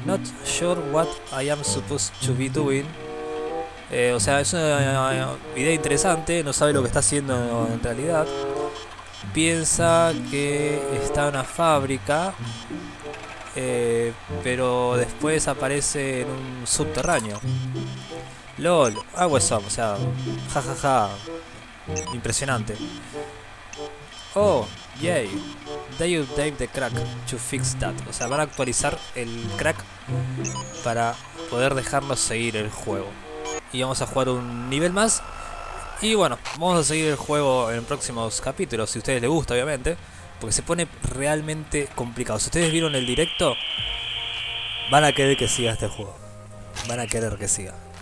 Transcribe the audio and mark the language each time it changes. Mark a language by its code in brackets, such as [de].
[en] Not sure what I am supposed to be doing. [es] O sea, es una idea interesante. No sabe lo que está haciendo en realidad. Piensa que está en una fábrica. Pero después aparece en un subterráneo. LOL, hago eso, o sea, jajaja, impresionante. [en] Oh, yay, they update the crack to fix that. [es] O sea, van a actualizar el crack para poder dejarnos seguir el juego. Y vamos a jugar un nivel más. Y bueno, vamos a seguir el juego en próximos capítulos, si a ustedes les gusta, obviamente. Porque se pone realmente complicado. Si ustedes vieron el directo, van a querer que siga este juego. Van a querer que siga.